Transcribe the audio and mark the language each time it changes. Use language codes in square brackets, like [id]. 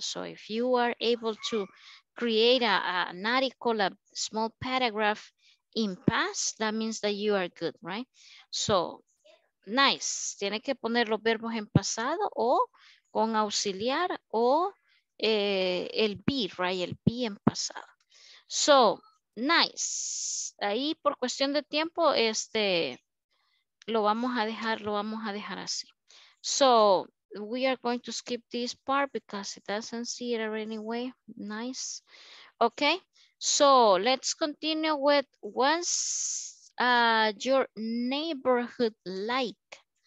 [en] So if you are able to create an article, a small paragraph in past, that means that you are good, right? So, nice. [es] Tiene que poner los verbos en pasado o con auxiliar o el be, right? El be en pasado. [en] So, nice. [es] Ahí por cuestión de tiempo, lo vamos a dejar así. [en] So, we are going to skip this part because it doesn't see it anyway. Nice. Okay. So, let's continue with what's your neighborhood like?